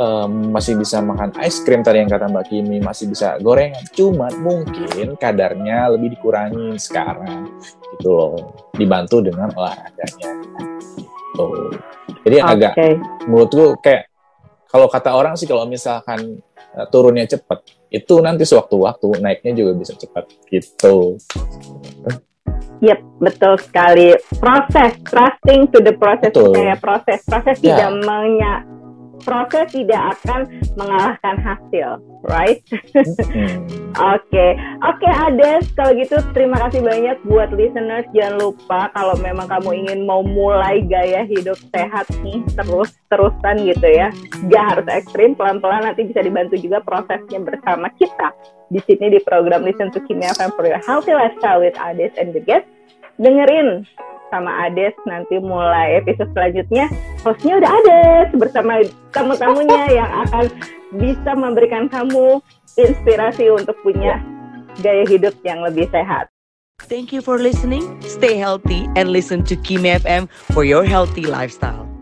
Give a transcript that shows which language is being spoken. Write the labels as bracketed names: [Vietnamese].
[Indonesian] Masih bisa makan ice cream tadi yang kata Mbak Kimi, masih bisa gorengan, cuma mungkin kadarnya lebih dikurangi sekarang gitu loh, dibantu dengan olahraganya. Jadi agak, menurutku kayak, kalau kata orang sih, kalau misalkan turunnya cepat, itu nanti sewaktu-waktu naiknya juga bisa cepat, gitu. Yep, betul sekali. Proses, [English] trusting to the process, [Indonesian] kayak proses. Proses tidak proses tidak akan mengalahkan hasil, right? Okay, Ades, kalau gitu terima kasih banyak buat listeners. Jangan lupa kalau memang kamu ingin mau mulai gaya hidup sehat nih terus-terusan gitu ya, gak harus ekstrim, pelan-pelan nanti bisa dibantu juga prosesnya bersama kita di sini di program Listen to Kimi FM [English] for your healthy lifestyle with Ades and the guest. [Indonesian] Dengerin sama Ades nanti mulai episode selanjutnya. Hostnya udah Ades bersama tamu-tamunya yang akan bisa memberikan kamu inspirasi untuk punya gaya hidup yang lebih sehat. [English] Thank you for listening. Stay healthy and listen to Kimi FM for your healthy lifestyle.